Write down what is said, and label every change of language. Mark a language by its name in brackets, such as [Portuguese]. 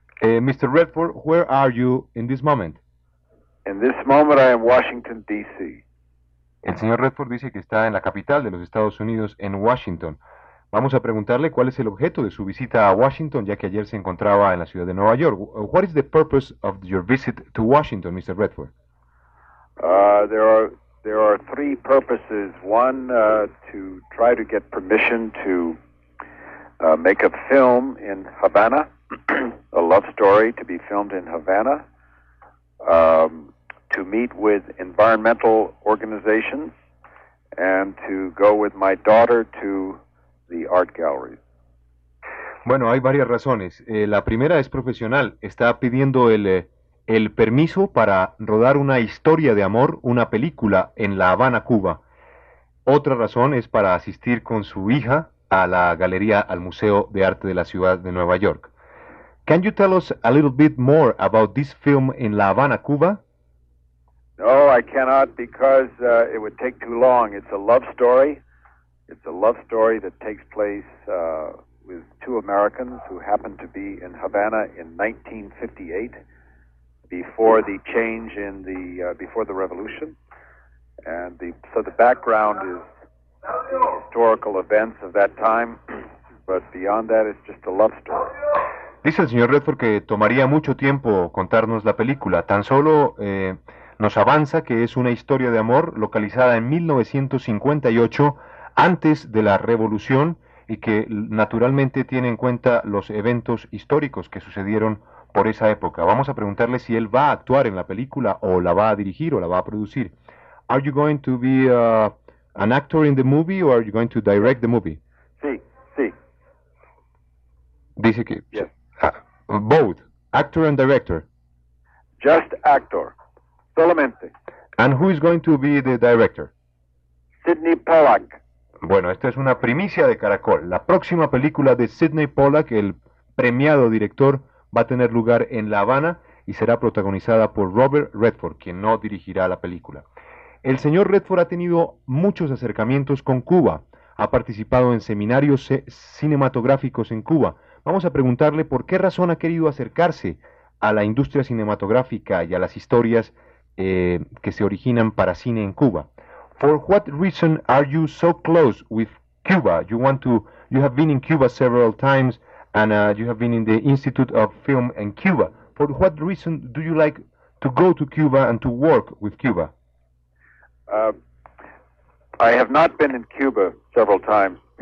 [English] Mr. Redford, where are you in this moment? In this moment, I am Washington, D.C. [Spanish] El señor Redford dice que está en la capital de los Estados Unidos, en Washington. Vamos a preguntarle cuál es el objeto de su visita a Washington, ya que ayer se encontraba en la ciudad de Nueva York. [English] What is the purpose of your visit to Washington, Mr. Redford? There are three purposes. One, to try to get permission to make a film in Havana, a love story to be filmed in Havana, to meet with environmental organizations, and to go with my daughter to the art gallery. [Spanish] Bueno, hay varias razones. La primera es profesional. Está pidiendo el permiso para rodar una historia de amor, una película, en La Habana, Cuba. Otra razón es para asistir con su hija a la galería, al Museo de Arte de la Ciudad de Nueva York. [English] Can you tell us a little bit more about this film in La Habana, Cuba? No, I cannot, because it would take too long. It's a love story. It's a love story that takes place with two Americans who happened to be in Havana in 1958, before the change in the, before the revolution. And the background is historical events of that time, but beyond that, it's just a love story. [Spanish] Dice el señor Redford que tomaría mucho tiempo contarnos la película. Tan solo nos avanza que es una historia de amor localizada en 1958, antes de la revolución, y que naturalmente tiene en cuenta los eventos históricos que sucedieron por esa época. Vamos a preguntarle si él va a actuar en la película, o la va a dirigir, o la va a producir. [English] Are you going to be an actor in the movie, or are you going to direct the movie? [Spanish] Sí, sí. Dice que... [English] Yes. Both, actor and director. Just actor, [Spanish] solamente. [English] And who is going to be the director? Sidney Pollack. [Spanish] Bueno, esta es una primicia de Caracol. La próxima película de Sidney Pollack, el premiado director, va a tener lugar en La Habana y será protagonizada por Robert Redford, quien no dirigirá la película. El señor Redford ha tenido muchos acercamientos con Cuba. Ha participado en seminarios cinematográficos en Cuba. Vamos a preguntarle por qué razón ha querido acercarse a la industria cinematográfica y a las historias que se originan para cine en Cuba. [English] For what reason are you so close with Cuba? You have been in Cuba several times, and you have been in the Institute of Film in Cuba. For what reason do you like to go to Cuba and to work with Cuba? I have not been in Cuba several times.